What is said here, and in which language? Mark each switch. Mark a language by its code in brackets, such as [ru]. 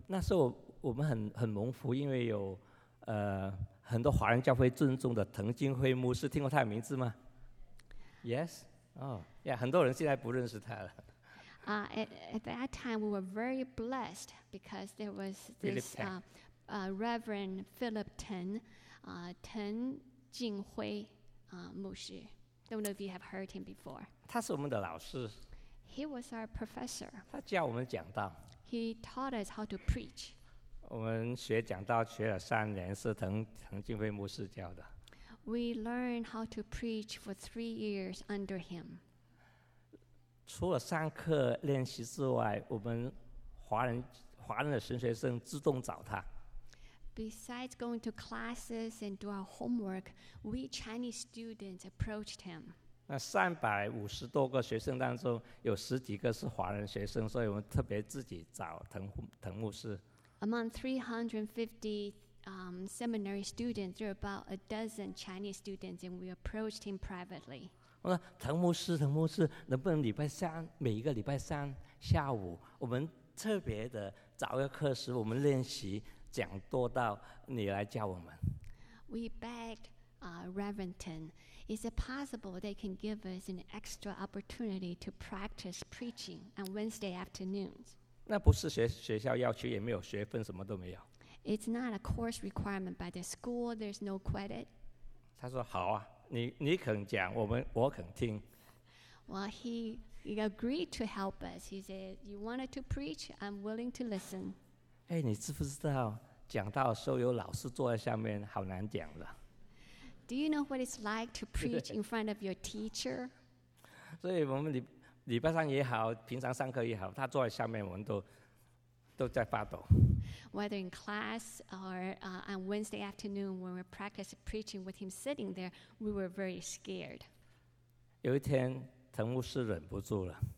[zh] 那时候我们很蒙福，因为有很多华人教会尊重的藤金辉牧师，听过他的名字吗 ？ [en] Yes. Oh, yeah. [zh] 很多人现在不认识他了。 [en] At that time, we were very blessed because there was this Reverend Philip Ten, Ten Jinghui Mushi. Don't know if you have heard him before. [zh] 他是我们的老师。 [en] He was our professor. [zh] 他教我们讲道。 [en] He taught us how to preach. [zh] 我们学讲道学了三年，是藤金辉牧师教的。 [en] We learned how to preach for 3 years under him. [zh] 除了上课练习之外，我们华人的神学生自动找他。 [en] Besides going to classes and do our homework, we Chinese students approached him. [zh] 那350多个学生当中，有十几个是华人学生，所以我们特别自己找藤牧师。 [en] Among 350 seminary students, there are about a dozen Chinese students, and we approached him privately. [zh] 我说藤牧师，能不能礼拜三每一个礼拜三下午，我们特别的找一个课时，我们练习讲多到你来教我们。 [en] We begged, Reverend Tan, is it possible they can give us an extra opportunity to practice preaching on Wednesday afternoons? [zh] 那不是学校要求，也没有学分，什么都没有。 [en] It's not a course requirement by the school. There's no credit. [zh] 他说好啊。你肯讲，我肯听。 [en] Well, he agreed to help us. He said, "You wanted to preach. I'm willing to listen." [zh] 哎，你知不知道，讲道的时候有老师坐在下面，好难讲了。 [en] Do you know what it's like to preach in front of your teacher? [zh] 所以我们礼拜三也好，平常上课也好，他坐在下面，我们都在发抖。 [en] Whether in class or on Wednesday afternoon when we practiced preaching with him sitting there, we were very scared. [zh] 有一天，藤牧师忍不住了。